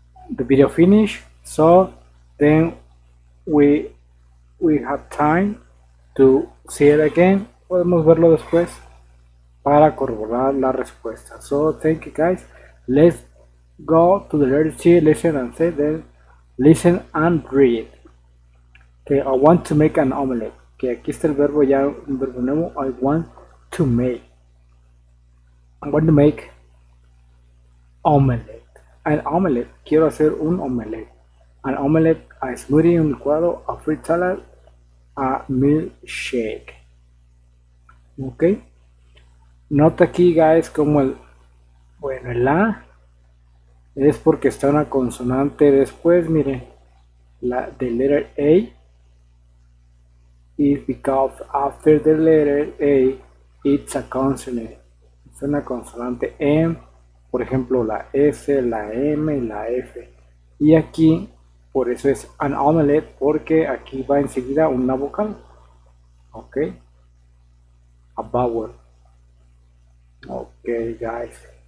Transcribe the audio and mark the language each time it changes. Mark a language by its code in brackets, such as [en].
[en] The video finish, so then we have time to see it again. [es] Podemos verlo después para corroborar la respuesta. [en] So thank you guys. Let's go to the letter T, listen and say, then listen and read. Okay, I want to make an omelette. [es] Okay, aquí está el verbo ya, un verbo nuevo. [en] I want to make. I want to make omelette. An omelette. [es] Quiero hacer un omelette. [en] An omelette, a smoothie, [es] un licuado, [en] a fruit salad, a milkshake. Okay. [es] Nota aquí, guys, como el... Bueno, el A es porque está una consonante después, miren. La de letter A. [en] Is because after the letter A, it's a consonant. [es] Es una consonante M. Por ejemplo, la S, la M y la F. Y aquí, por eso es an omelette, porque aquí va enseguida una vocal. [en] Ok. A vowel. Ok, guys.